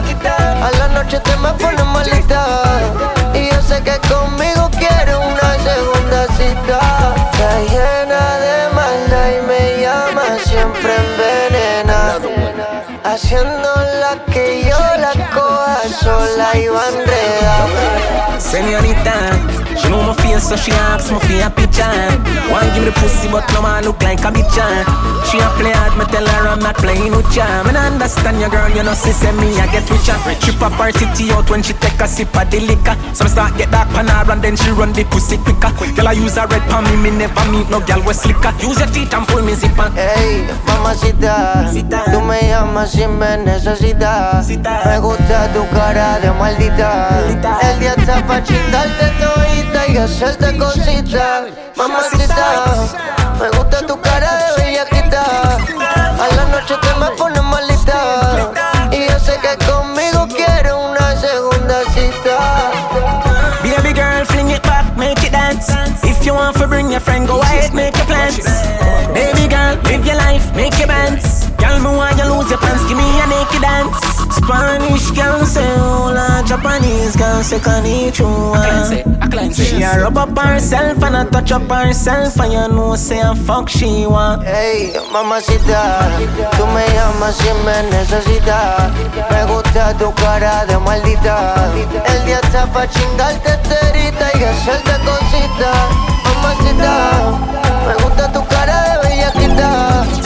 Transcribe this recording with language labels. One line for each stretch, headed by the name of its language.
Spanish: A la noche te me pones malita. Que conmigo quiere una segunda cita. Está llena de maldad y me llama siempre envenena. Haciendo la que yo la coja sola y va enreda.
English: Señorita, she know my face so she asks me for a picture. One give me the pussy but no man look like a bitch. She a play hard, me tell her I'm not playing with ya. Me nah understand your girl, you know she say me I get richer. She pop her titty out when she take a sip of the liquor. So me start get dark pan her and then she run the pussy quicker. Girl I use a red pan, me never meet no girl with slicker. Use your teeth and pull me zipper.
Spanish: Hey, mamacita, Cita. Tú me llamas si me necesitas. Me gusta tu cara de maldita. Cita. El día está pa' chingarte todo. Y hacerte cositas. Mamacita, me gusta tu cara de bellaquita. A la noche te me pones malita. Y yo sé que conmigo quiere una segunda cita.
English: Baby girl, fling it back, make it dance. If you want to bring your friend, go ahead, make your plans. Baby girl, live your life, make your bands. Girl, me want you lose your pants, give me a naked dance. Spanish girl say hola, Japanese girl say konnichiwa. She a rub up herself and a touch up herself. And you know say a fuck she want.
Spanish: Hey, mamacita, tú me llamas si me necesitas. Me gusta tu cara de maldita. El día está pa' chingarte terita y hacerte cosita. Mamacita, me gusta tu cara de bellaquita.